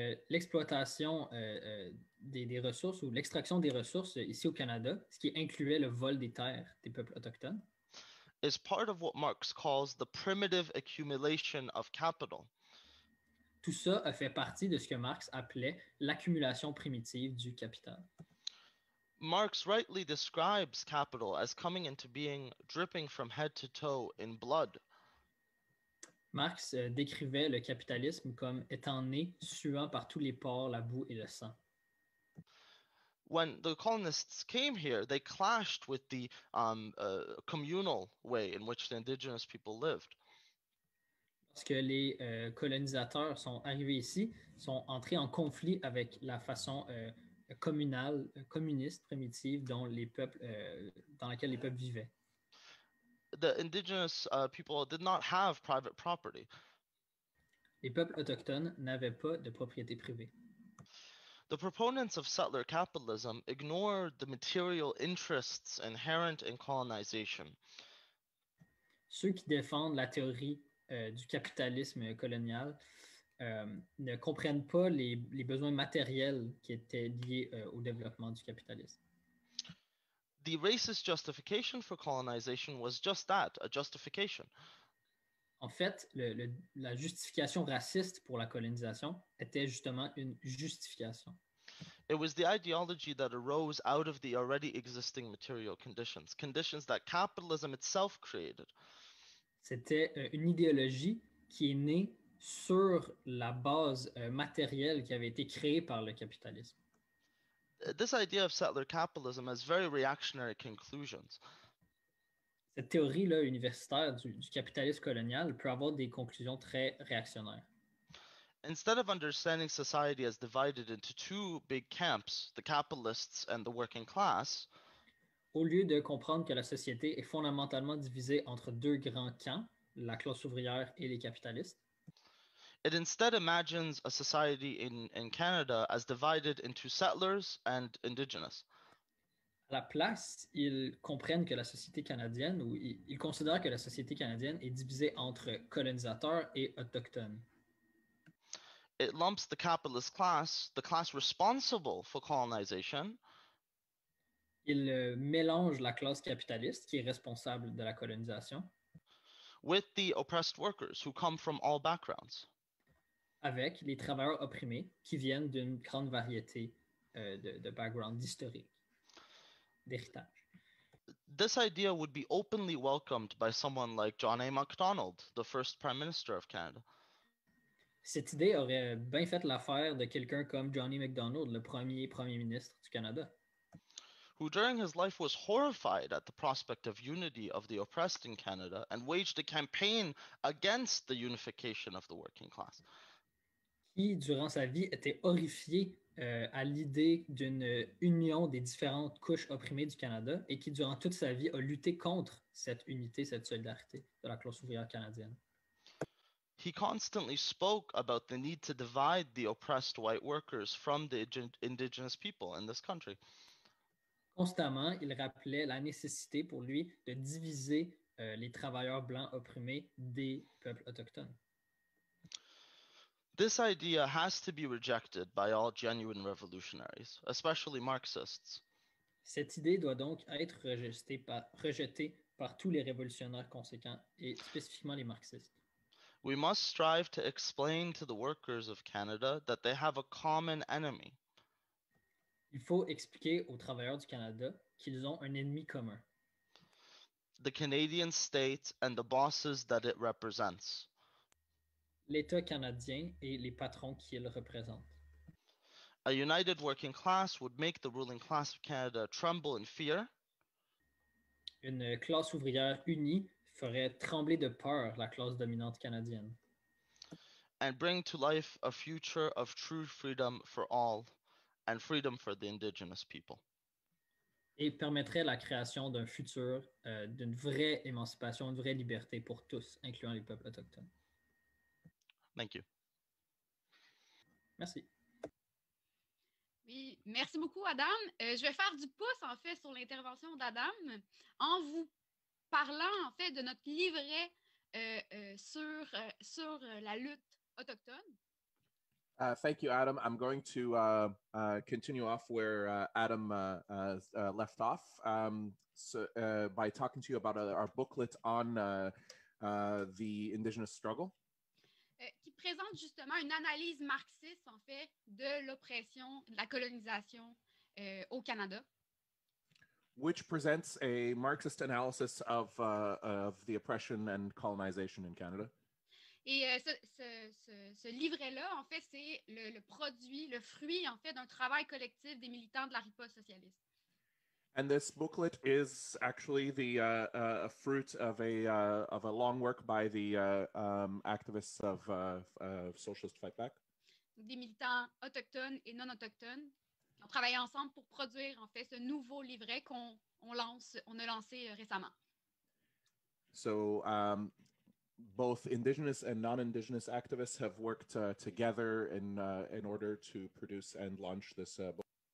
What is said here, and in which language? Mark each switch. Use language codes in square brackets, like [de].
[fr] L'exploitation des ressources ou l'extraction des ressources ici au Canada, ce qui incluait le vol des terres des peuples autochtones, [en] is part of what Marx calls the primitive accumulation of capital. [fr] Tout ça a fait partie de ce que Marx appelait l'accumulation primitive du capital. [en] Marx rightly describes capital as coming into being dripping from head to toe in blood. [fr] Marx décrivait le capitalisme comme étant né, suant par tous les pores, la boue et le sang. [en] When the colonists came here, they clashed with the communal way in which the indigenous people lived. [fr] Lorsque les colonisateurs sont arrivés ici, sont entrés en conflit avec la façon communale, communiste, primitive dont les peuples, dans laquelle les peuples vivaient. [en] The indigenous people did not have private property. [fr] Les peuples autochtones n'avaient pas de propriété privée. [en] The proponents of settler capitalism ignored the material interests inherent in colonization. [fr] Ceux qui défendent la théorie du capitalisme colonial ne comprennent pas les besoins matériels qui étaient liés au développement du capitalisme. [en] The racist justification for colonization was just that, a justification. [fr] En fait, la justification raciste pour la colonisation était justement une justification. [en] It was the ideology that arose out of the already existing material conditions that capitalism itself created. [fr] C'était une idéologie qui est née sur la base matérielle qui avait été créée par le capitalisme. [en] This idea of settler capitalism has very reactionary conclusions. [fr] Cette théorie-là universitaire du capitalisme colonial peut avoir des conclusions très réactionnaires. [en] Instead of understanding society as divided into two big camps, the capitalists and the working class, [fr] au lieu de comprendre que la société est fondamentalement divisée entre deux grands camps, la classe ouvrière et les capitalistes, [en] it instead imagines a society in Canada as divided into settlers and indigenous. [fr] À la place, ils comprennent que la société canadienne, ou ils considèrent que la société canadienne est divisée entre colonisateurs et autochtones. [en] It lumps the capitalist class, the class responsible for colonization. [fr] Il mélange la classe capitaliste, qui est responsable de la colonisation, [en] with the oppressed workers who come from all backgrounds. [fr] Avec les travailleurs opprimés qui viennent d'une grande variété de backgrounds historiques, d'héritage. [en] This idea would be openly welcomed by someone like John A. Macdonald, the first Prime Minister of Canada. [fr] Cette idée aurait bien fait l'affaire de quelqu'un comme Johnny Macdonald, le premier Premier ministre du Canada, [en] who during his life was horrified at the prospect of unity of the oppressed in Canada and waged a campaign against the unification of the working class. [fr] Qui, durant sa vie, était horrifié à l'idée d'une union des différentes couches opprimées du Canada et qui, durant toute sa vie, a lutté contre cette unité, cette solidarité de la classe ouvrière canadienne. [en] He constantly spoke about the need to divide the oppressed white workers from the indigenous people in this country. [fr] Constamment, il rappelait la nécessité pour lui de diviser les travailleurs blancs opprimés des peuples autochtones. [en] This idea has to be rejected by all genuine revolutionaries, especially Marxists. [fr] Cette idée doit donc être rejetée par tous les révolutionnaires conséquents et spécifiquement les marxistes. [en] We must strive to explain to the workers of Canada that they have a common enemy. [fr] Il faut expliquer aux travailleurs du Canada qu'ils ont un ennemi commun. [en] The Canadian state and the bosses that it represents. [fr] L'État canadien et les patrons qu'il représente. [en] A united working class would make the ruling class of Canada tremble in fear. [fr] Une classe ouvrière unie ferait trembler de peur la classe dominante canadienne. [en] And bring to life a future of true freedom for all and freedom for the indigenous people. [fr] Et permettrait la création d'un futur, d'une vraie émancipation, une vraie liberté pour tous, incluant les peuples autochtones. [en] Thank you. [fr] Merci. Oui, merci beaucoup, Adam. Je vais faire du pouce, en fait, sur l'intervention d'Adam en vous parlant en fait de notre livret sur la lutte autochtone. [en] Thank you, Adam. I'm going to continue off where Adam left off by talking to you about our booklet on the Indigenous struggle. [fr] Qui présente justement une analyse marxiste en fait de l'oppression, de la colonisation au Canada. [en] Which presents a Marxist analysis of the oppression and colonization in Canada. [fr] Et ce livret-là, en fait, c'est le produit, le fruit, en fait, d'un travail collectif des militants de la riposte socialiste. [en] And this booklet is actually the fruit of a long work by the activists of Socialist Fight Back. [fr] Des militants autochtones et non autochtones. On travaille ensemble pour produire, en fait, ce nouveau livret qu'on a lancé récemment. [en] So, both Indigenous and non-Indigenous activists have worked together in order to produce and launch this book.